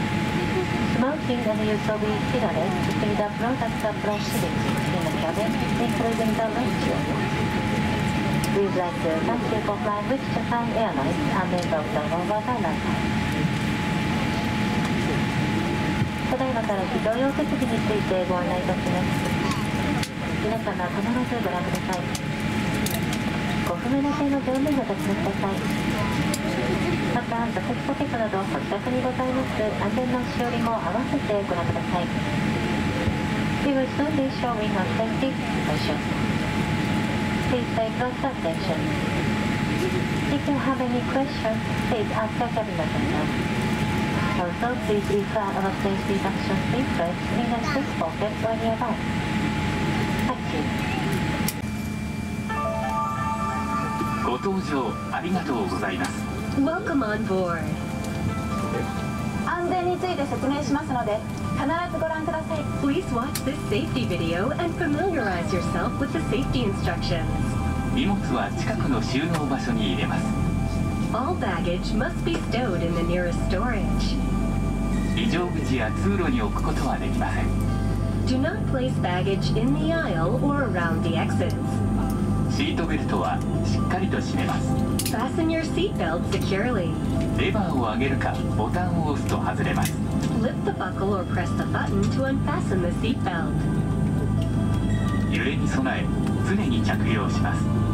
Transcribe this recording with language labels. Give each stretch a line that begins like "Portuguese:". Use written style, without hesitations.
English: Smoking and use of e-cigarettes is a product of proceedings in the cabin, including the restroom. We'd like to thank you for flying with Japan Airlines, a member of the World Wide Airlines.
Japanese: ただいまから非常用設備についてご案内いたします。皆様、必ずご覧ください。ご不明な点の乗務員をお尋ねください。また座席ポケットなどご自宅にございます安全のしおりも合わせてご覧ください。
English: We will soon be showing our safety information. Please pay close attention. If you have any questions, please ask your cabin attendant. Also, please refer our safety instructions leaflet in your seat pocket or nearby. Thank you.
Japanese: ご搭乗ありがとうございます。
English: Welcome on board.
Japanese: 安全について説明しますので必ずご覧ください。
English: Please watch this safety video and familiarize yourself with the safety instructions.
Japanese: 荷物は近くの収納場所に入れます。
English: All baggage must be stowed in the nearest storage.
Japanese: 非常口や通路に置くことはできません。
English: Do not place baggage in the aisle or around the exits.
Japanese: シートベルトはしっかりと締めます。
English: Fasten your seat belt securely.
Japanese: レバーを上げるかボタンを押すと外れます。
English: Lift the buckle or press the button to unfasten the seat belt.
Japanese: 揺れに備え常に着用します。